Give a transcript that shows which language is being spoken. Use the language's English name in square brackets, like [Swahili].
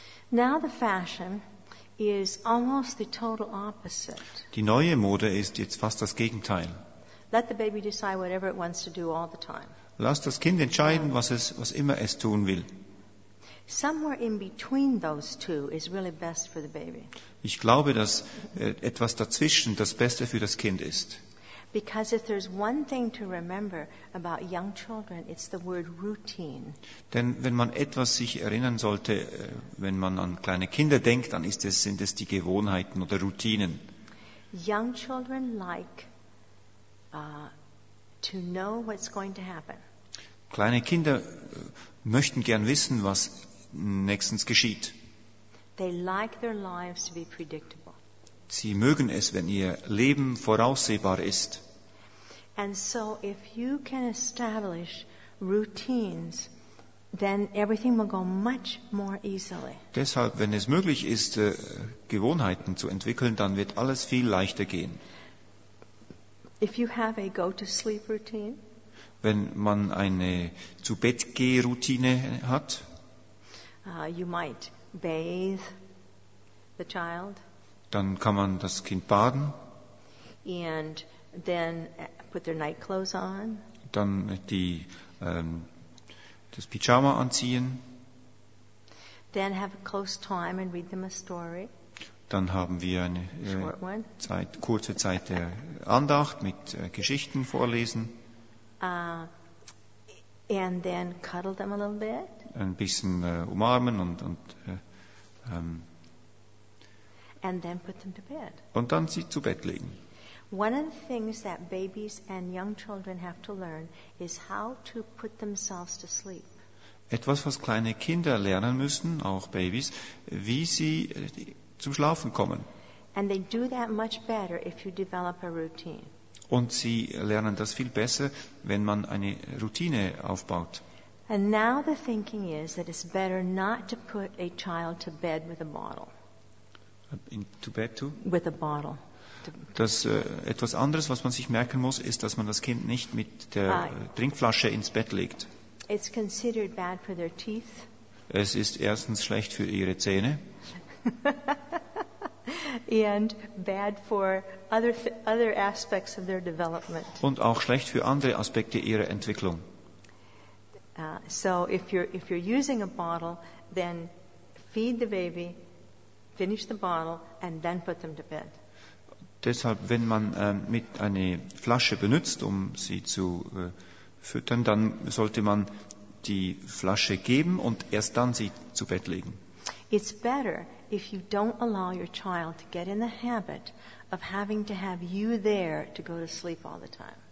[English] Now the fashion is almost the total opposite. [German] Die neue Mode ist jetzt fast das Gegenteil. [English] Let the baby decide whatever it wants to do all the time. [German] Lass das Kind entscheiden, was immer es tun will. [English] Somewhere in between those two is really best for the baby. [German] Ich glaube, dass etwas dazwischen das Beste für das Kind ist. [English] Because if there's one thing to remember about young children, it's the word routine. [German] Denn wenn man etwas sich erinnern sollte, wenn man an kleine Kinder denkt, dann sind es die Gewohnheiten oder Routinen. [English] Young children like to know what's going to happen. [German] Kleine Kinder möchten gern wissen, was nächstens geschieht. [English] They like their lives to be predictable. [German] Sie mögen es, wenn ihr Leben voraussehbar ist. [English] And so if you can establish routines, then everything will go much more easily. [German] Deshalb, wenn es möglich ist, Gewohnheiten zu entwickeln, dann wird alles viel leichter gehen. [English] If you have a go-to-sleep routine, [German] wenn man eine Zu-Bett-Geh-Routine hat, [English] you might bathe the child, [German] dann kann man das Kind baden, [English] and then put their night clothes on, [German] dann das Pyjama anziehen, [English] then have a close time and read them a story. [German] Dann haben wir eine kurze Zeit der Andacht mit Geschichten vorlesen. [English] And then cuddle them a little bit. [German] Ein bisschen umarmen und [English] and then put them to bed. [German] Und dann sie zu Bett legen. [English] One of the things that babies and young children have to learn is how to put themselves to sleep. [German] Etwas, was kleine Kinder lernen müssen, auch Babys, wie sie zum Schlafen kommen. [English] And they do that much better if you develop a routine. [German] Und sie lernen das viel besser, wenn man eine Routine aufbaut. [English] And now the thinking is that it's better not to put a child to bed with a bottle. To bed too? With a bottle. [German] Das etwas anderes, was man sich merken muss, ist, dass man das Kind nicht mit der Trinkflasche ins Bett legt. [English] It's considered bad for their teeth. [German] Es ist erstens schlecht für ihre Zähne. [English] And bad for other aspects of their development. [German] Und auch schlecht für andere Aspekte ihrer Entwicklung. [English] So if you're using a bottle, then feed the baby, finish the bottle, and then put them to bed. [German] Deshalb, wenn man mit eine Flasche benutzt, um sie zu füttern, dann sollte man die Flasche geben und erst dann sie zu Bett legen. [English] It's better if you don't allow your child to get in the habit of having to have you there to go to sleep all the time.